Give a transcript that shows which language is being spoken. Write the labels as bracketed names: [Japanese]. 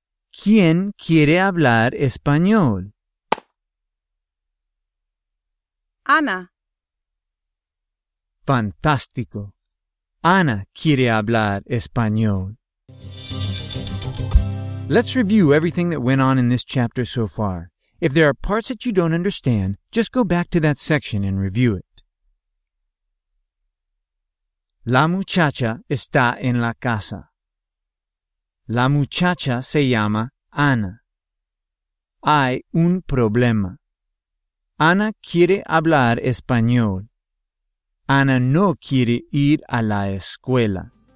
[Spanish] ¿Quién quiere hablar español? Ana. Fantástico. Ana quiere hablar español. [English] Let's review everything that went on in this chapter so far. If there are parts that you don't understand, just go back to that section and review it. [Spanish] La muchacha está en la casa. La muchacha se llama Ana. Hay un problema. Ana quiere hablar español. Ana no quiere ir a la escuela.